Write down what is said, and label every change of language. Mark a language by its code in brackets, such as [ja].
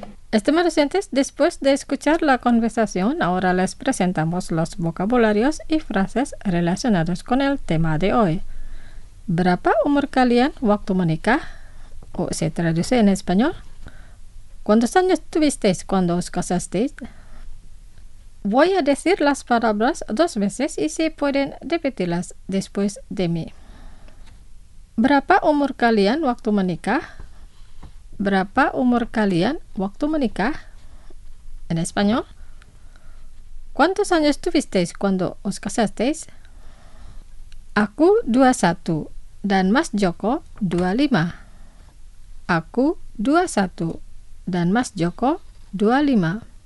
[es] Estimados oyentes, después de escuchar la conversación, ahora les presentamos los vocabularios y frases relacionados con el tema de hoy. [id] ¿Berapa umur kalian waktu menikah? [es] O se traduce en español. ¿Cuántos años tuvisteis cuando os casasteis? Voy a decir las palabras dos veces y si pueden repetirlas después de mí. [id] ¿Berapa umur kalian waktu menikah? ¿Berapa umur kalian waktu menikah? [es] En español. ¿Cuántos años tuvisteis cuando os casasteis? [id] Aku 21 dan Mas Joko 25. Aku 21 dan Mas Joko 25.